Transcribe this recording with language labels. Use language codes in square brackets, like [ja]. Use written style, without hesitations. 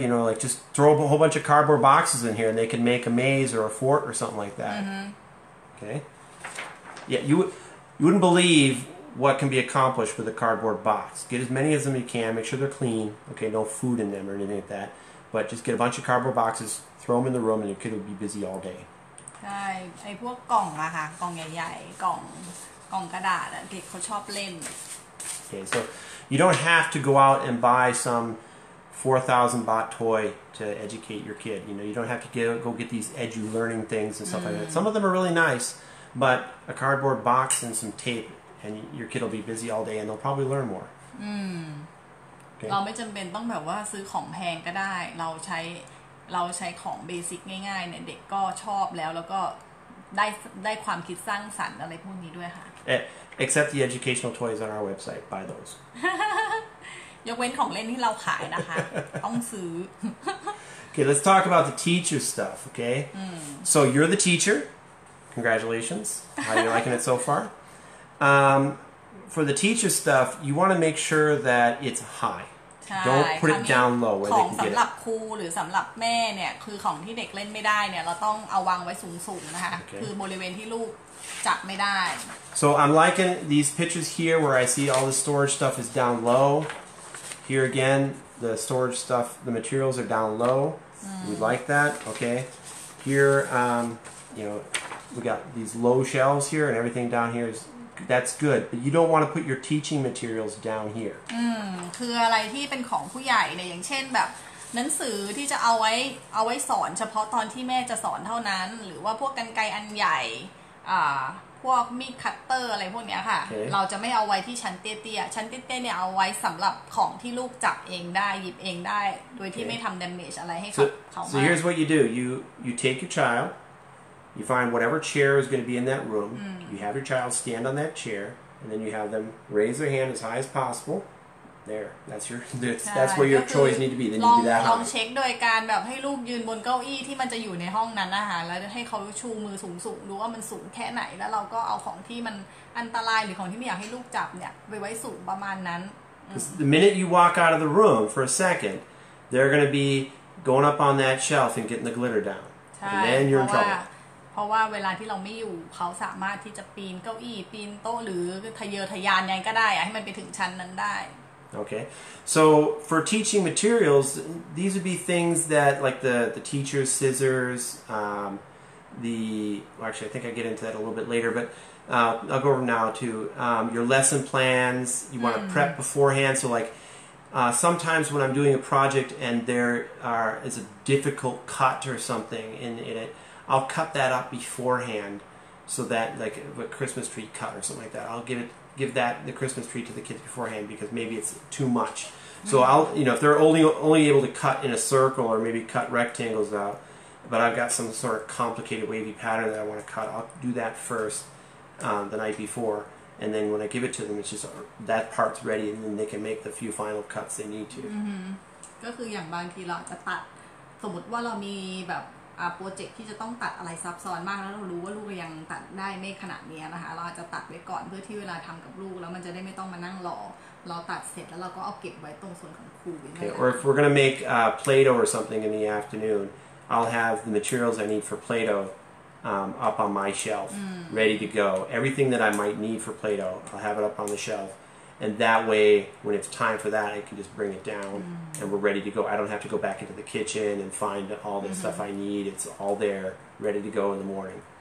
[en] You know, like just throw a whole bunch of cardboard boxes in here, and they can make a maze or a fort or something like that. Mm-hmm. Okay. Yeah, you wouldn't believe what can be accomplished with a cardboard box. Get as many of them as you can. Make sure they're clean. Okay, no food in them or anything like that. But just get a bunch of cardboard boxes, throw them in the room, and your kid will be busy all day. [th] ใช่ไอ้พวกกล่องอะค่ะกล่องใหญ่ๆกล่องกระดาษอะเด็กเขาชอบเล่น [en] Okay, so you don't have to go out and buy some 4,000 baht toy to educate your kid. You know, you don't have to go get these edu learning things and stuff like that. Some of them are really nice, but a cardboard box and some tape and your kid will be busy all day and they'll probably learn more. Okay. [th] เราไม่จำเป็นต้องแบบว่าซื้อของแพงก็ได้เราใช้ของเบสิกง่ายๆเนี่ยเด็กก็ชอบแล้วแล้วก็ได้ความคิดสร้างสรรค์อะไรพวกนี้ด้วยค่ะ [en] Except the educational toys on our website. Buy those. [th] ยกเว้นของเล่นที่เราขายนะคะต้องซื้อ [en] Okay, let's talk about the teacher stuff, okay? So you're the teacher. Congratulations. How are you liking it so far? For the teacher stuff, you want to make sure that it's high. Don't put it down low where they can get it. [th] ของสำหรับครูหรือสำหรับแม่เนี่ยคือของที่เด็กเล่นไม่ได้เนี่ยเราต้องเอาวางไว้สูงๆนะคะคือบริเวณที่ลูกจับไม่ได้ [en] So I'm liking these pictures here where I see all the storage stuff is down low. Here again, the storage stuff, the materials are down low. We like that, okay? Here, you know, we got these low shelves here and everything down here is... That's good, but you don't want to put your teaching materials down here. [th] คืออะไรที่เป็นของผู้ใหญ่เนี่ยอย่างเช่นแบบหนังสือที่จะเอาไว้สอนเฉพาะตอนที่แม่จะสอนเท่านั้นหรือว่าพวกกรรไกรอันใหญ่พวกมีดคัตเตอร์อะไรพวกเนี้ยค่ะ [en] okay. [th] เราจะไม่เอาไว้ที่ชั้นเตี้ยๆชั้นเตี้ยๆเนี่ยเอาไว้สำหรับของที่ลูกจับเองได้หยิบเองได้โดยที่ไม่ทำ damage อะไรให้เขา [en] So here's what you do. You take your childYou find whatever chair is going to be in that room. You have your child stand on that chair, and then you have them raise their hand as high as possible. There, that's where your toys need to be. Then you do that. [th] ลองเช็คโดยการแบบให้ลูกยืนบนเก้าอี้ที่มันจะอยู่ในห้องนั้นนะคะแล้วให้เขาชูมือสูงๆดูว่ามันสูงแค่ไหนแล้วเราก็เอาของที่มันอันตรายหรือของที่ไม่อยากให้ลูกจับเนี่ยไปไว้สูงประมาณนั้น [en] The minute you walk out of the room for a second, they're going to be going up on that shelf and getting the glitter down. And then you're in trouble. [th] เพราะว่าเวลาที่เราไม่อยู่เขาสามารถที่จะปีนเก้าอี้ปีนโต๊ะหรือทะเยอทะยานยังก็ได้อะให้มันไปถึงชั้นนั้นได้ [en] Okay so for teaching materials these would be things that like the teacher's scissors the, well, actually, I think I get into that a little bit later, but I'll go over now to your lesson plans. You want to prep beforehand. So like sometimes when I'm doing a project and there are is a difficult cut or something in it, I'll cut that up beforehand so that like a Christmas tree cut or something like that. I'll give that the Christmas tree to the kids beforehand because maybe it's too much. So I'll, you know, if they're only able to cut in a circle or maybe cut rectangles out, but I've got some sort of complicated wavy pattern that I want to cut, I'll do that first the night before. And then when I give it to them, it's just that part's ready and then they can make the few final cuts they need to. [th] ก็คืออย่างบางทีเราจะตัดสมมติว่าเรามีแบบโปรเจกต์ที่จะต้องตัดอะไรซับซ้อนมากแล้วเรารู้ว่าลูกยังตัดได้ไม่ขนาดนี้นะคะเราจะตัดไว้ก่อนเพื่อที่เวลาทำกับลูกแล้วมันจะได้ไม่ต้องมานั่งรอเราตัดเสร็จแล้วเราก็เอาเก็บไว้ตรงส่วนของครู [en] โอเค or if we're gonna make Play-Doh or something in the afternoon I'll have the materials I need for Play-Doh up on my shelf ready to go everything that I might need for Play-Doh I'll have it up on the shelf and that way when it's time for that I can just bring it down and we're ready to go I don't have to go back into the kitchen and find all the stuff I need it's all there ready to go in the morning